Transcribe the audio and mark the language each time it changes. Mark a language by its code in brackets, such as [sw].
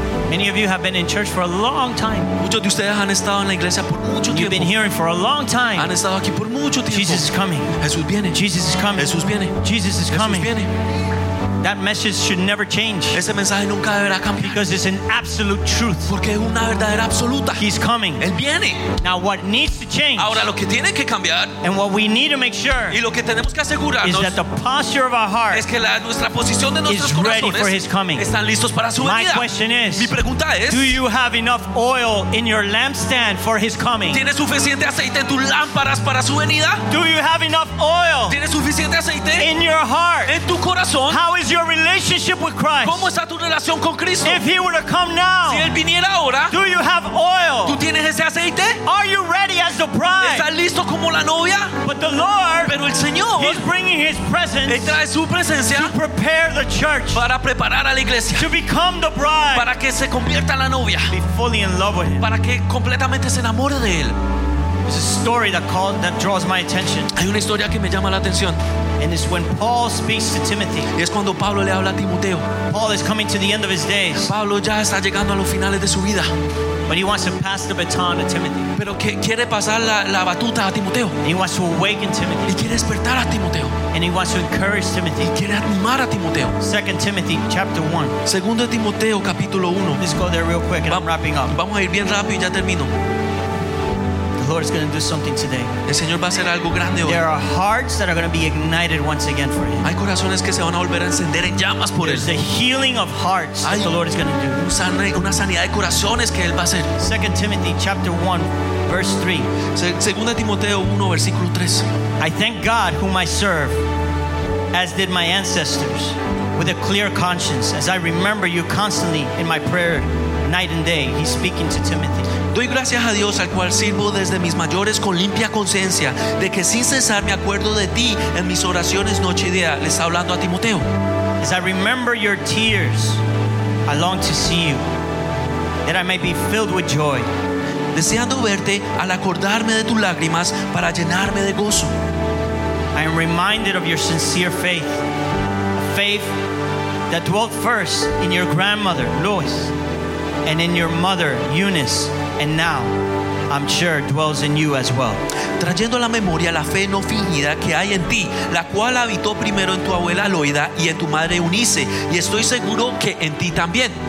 [en] Many of you have been in church for a long time. [es] Muchos de ustedes han estado en la iglesia por mucho tiempo. [en] You've been hearing for a long time. [es] Han estado aquí por mucho tiempo. [en] Jesus is coming. [es] Jesús viene. [en] Jesus is coming. [es] Jesús viene. [en] Jesus is coming. [es] Jesús viene. [en] That message should never change. [es] Ese mensaje nunca deberá cambiar. [en] Because it's an absolute truth. [es] Porque es una verdadera absoluta. [en] He's coming. [es] Él viene. [en] Now what needs to change. [es] Ahora lo que tiene que cambiar. [en] And what we need to make sure. [es] Y lo que tenemos que asegurarnos. [en] Is that the posture of our heart. [es] Es que nuestra posición de nuestros corazones. [en] Is ready for his coming. [es] Están listos para su venida. [en] My question is. [es] Mi pregunta es. [en] Do you have enough oil in your lampstand for his coming? [es] ¿Tienes suficiente aceite en tus lámparas para su venida? [en] Do you have enough oil? [es] ¿Tienes suficiente aceite? [en] In your heart. [es] En tu corazón. [en] How is your relationship with Christ? [es] ¿Cómo está tu relación con Cristo? [en] If he were to come now, [es] si él viniera ahora, [en] do you have oil? [es] ¿Tú tienes ese aceite? [en] Are you ready as the bride? [es] ¿Estás listo como la novia? [en] But the Lord, [es] pero el Señor, [en] he's bringing his presence, [es] él trae su presencia, [en] to prepare the church, [es] para preparar a la iglesia, [en] to become the bride, [es] para que se convierta la novia, [en] be fully in love with him, [es] para que completamente se enamore de él. [en] There's a story that draws my attention. [es] Hay una historia que me llama la atención. [en] And it's when Paul speaks to Timothy. [es] Y es cuando Pablo le habla a Timoteo. [en] Paul is coming to the end of his days. [es] Pablo ya está llegando a los finales de su vida. [en] But he wants to pass the baton to Timothy. [es] Pero quiere pasar la batuta a Timoteo. [en] He wants to awaken Timothy. [es] Y quiere despertar a Timoteo. [en] And he wants to encourage Timothy. [es] Y quiere animar a Timoteo. [en] 2 Timothy chapter 1. [es] Segundo Timoteo capítulo 1. [en] Let's go there real quick and I'm wrapping up. [es] Vamos a ir bien rápido y ya termino. [en] The Lord is going to do something today. [es] El Señor va a hacer algo grande hoy. [en] There are hearts that are going to be ignited once again for him. [es] Hay corazones que se van a volver a encender en llamas por él. [en] There's a healing of hearts that the Lord is going to do. [es] Una sanidad de corazones que él va a hacer. [en] 2 Timothy chapter 1 verse 3. [es] Segunda Timoteo 1 versículo 3. [en] I thank God whom I serve as did my ancestors with a clear conscience as I remember you constantly in my prayer night and day. He's speaking to Timothy. [es] Doy gracias a Dios al cual sirvo desde mis mayores con limpia conciencia de que sin cesar me acuerdo de ti en mis oraciones noche y día. Le está hablando a Timoteo. [en] As I remember your tears, I long to see you, that I may be filled with joy. [es] Deseando verte al acordarme de tus lágrimas para llenarme de gozo. [en] I am reminded of your sincere faith, a faith that dwelt first in your grandmother, Lois, and in your mother, Eunice, and now, I'm sure, dwells in you as well. [es] trayendo a la memoria la fe no fingida que hay en ti, la cual habitó primero en tu abuela Loida y en tu madre Eunice, y estoy seguro que en ti también.